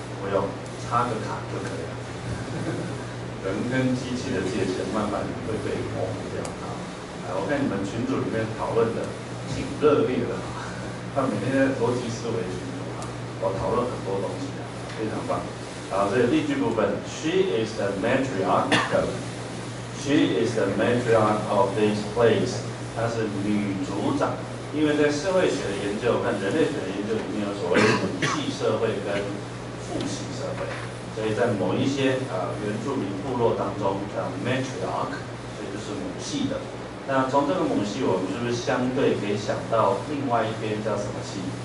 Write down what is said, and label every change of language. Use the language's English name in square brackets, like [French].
[Chinese] 不用，插个卡就可以了。人跟机器的界限慢慢会被模糊掉啊。来，我看你们群组里面讨论的挺热烈的。他每天在逻辑思维群组啊，我讨论很多东西啊，非常棒。好，所以例句部分 [English] ，She is the matriarch of， She is the matriarch of this place。 [Chinese] 她是女组长，因为在社会学的研究和人类学的研究里面有所谓母系社会跟父系社会，所以在某一些原住民部落当中叫 matriarch， 所以就是母系的。那从这个母系，我们是不是相对可以想到另外一边叫什么系？